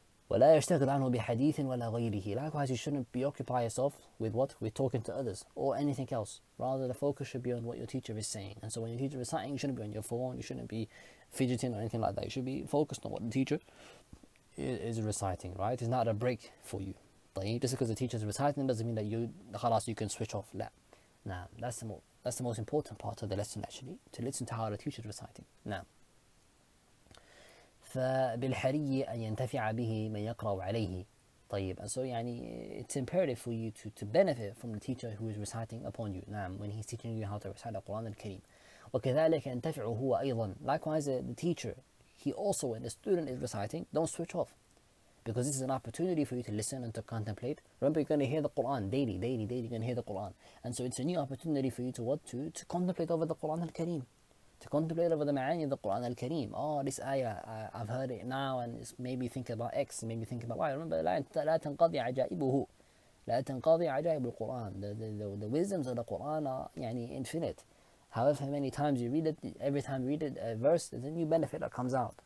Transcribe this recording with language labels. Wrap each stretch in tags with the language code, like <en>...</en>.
<ar>ولا يشتغل عنه بحديث ولا غيره.</ar> <en>Likewise, you shouldn't be occupying yourself with what? With talking to others or anything else. Rather, the focus should be on what your teacher is saying. And so when your teacher is reciting, you shouldn't be on your phone, you shouldn't be fidgeting or anything like that. You should be focused on what the teacher is reciting, right? It's not a break for you. Just because the teacher is reciting doesn't mean that you can switch off. That's the most important part of the lesson, actually, to listen to how the teacher is reciting.</en> <ar>فبالحري أن ينتفع به من يقرأ عليه. طيب.</ar> <en>And so it's imperative for you to benefit from the teacher who is reciting upon you.</en> <ar>نعم.</ar> <en>When he's teaching you how to recite the Quran al-Kareem.</en> <ar>وكذلك ينتفع هو أيضا.</ar> <en>Likewise, the teacher, he also, when the student is reciting, don't switch off, because this is an opportunity for you to listen and to contemplate. Remember, you're going to hear the Quran daily, you're going to hear the Quran. And so it's a new opportunity for you to contemplate over the Quran al-Kareem. To contemplate over the ma'ani of the Quran al-Kareem. Oh, this ayah, I've heard it now, and it's made me think about X, made me think about Y.</en> <ar>Remember, لا تنقضي عجائبه. لا تنقضي عجائب القرآن.</ar> <en>The wisdoms of the Quran are infinite. However many times you read it, every time you read it, a verse, there's a new benefit that comes out.</en>